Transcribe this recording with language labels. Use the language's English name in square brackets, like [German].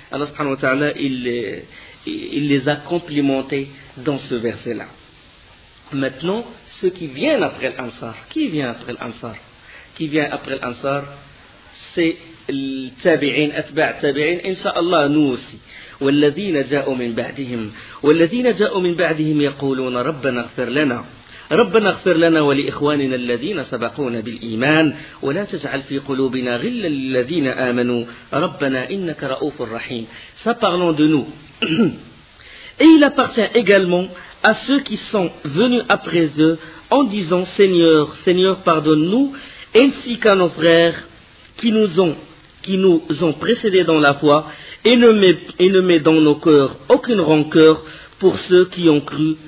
[French] Allah subhanahu wa ta'ala, il les a complimentés dans ce verset-là. Maintenant, ceux qui viennent après l'ansar, qui vient après l'ansar? Qui vient après l'ansar? C'est les tabi'in, atba' tabi'in, incha'Allah, nous aussi. [Arabic] والذين جاءوا من بعدهم والذين جاءوا من بعدهم يقولون ربنا اغفر لنا ربنا اغفر لنا ولإخواننا الذين سبقونا بالإيمان ولا تجعل في قلوبنا غلا للذين آمنوا ربنا إنك رؤوف رحيم. [French] Ça parlons de nous. Et il appartient également à ceux qui sont venus après eux en disant Seigneur, Seigneur, pardonne-nous, ainsi qu'à nos frères qui nous ont précédés dans la foi, et ne met dans nos cœurs aucune rancœur pour ceux qui ont cru.